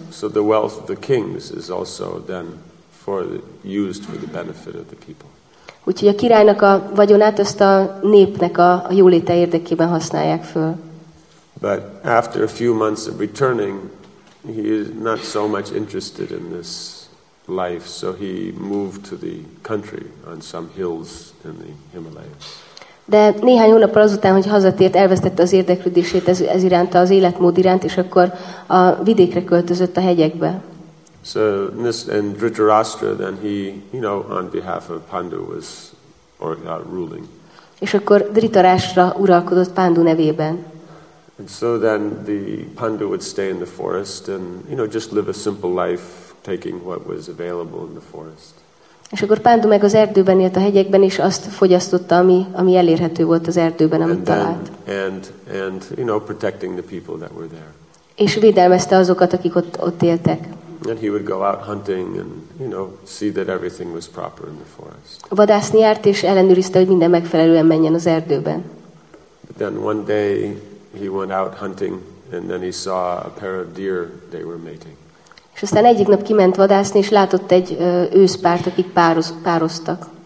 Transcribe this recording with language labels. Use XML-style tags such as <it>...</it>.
<en>So the wealth of the kings is also then for the, used for the benefit of the people.</en> <hu>Úgyhogy a királynak a vagyonát ezt a népnek a jóléte érdekében használják föl.</hu> <en>But after a few months of returning, he is not so much interested in this life, so he moved to the country on some hills in the Himalayas.</en> <hu>De néhány hónap azután, hogy hazatért, elvesztette az érdeklődését ez iránt, az életmód iránt, és akkor a vidékre költözött, a hegyekbe.</hu> <en>So this, and Dhritarashtra, then he, you know, on behalf of Pandu was or ruling.</en> <hu>És akkor Dhritarashtra uralkodott Pandu nevében.</hu> <en>And so then the Pandu would stay in the forest and, you know, just live a simple life, taking what was available in the forest.</en> <hu>És akkor Pandu meg az erdőben élt, a hegyekben, és azt fogyasztotta, ami elérhető volt az erdőben, amit talált.</hu> <en>And you know, protecting the people that were there.</en> <hu>És védelmezte azokat, akik ott éltek.</hu> <en>And he would go out hunting and, you know, see that everything was proper in the forest.</en> <hu>Vadászni járt és ellenőrizte, hogy minden megfelelően menjen az erdőben.</hu> <en>But then one day he went out hunting and then he saw a pair of deer, they were mating.</en> <hu>És aztán egyik nap kiment vadászni és látott egy őszpárt, akik pároztak.</hu>